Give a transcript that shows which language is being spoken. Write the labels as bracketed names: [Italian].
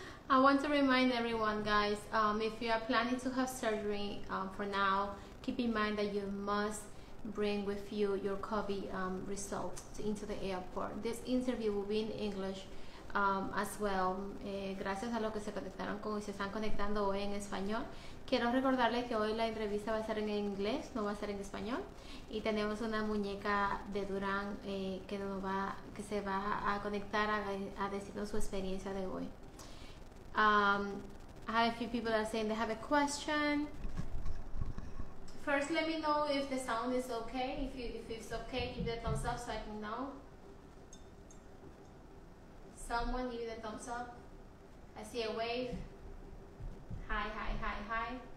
[English] I want to remind everyone, guys, if you are planning to have surgery for now, keep in mind that you must bring with you your COVID result into the airport. This interview will be in English as well. [Spanish] Gracias a los que se conectaron con y se están conectando hoy en español. Quiero recordarles que hoy la entrevista va a ser en inglés, no va a ser en español. Y tenemos una muñeca de Duran que se va a conectar a decirnos su experiencia de hoy. [English] I have a few people that are saying they have a question. First, let me know if the sound is okay. If it's okay, give the thumbs up so I can know. Someone give the thumbs up. I see a wave. Hi, hi, hi, hi.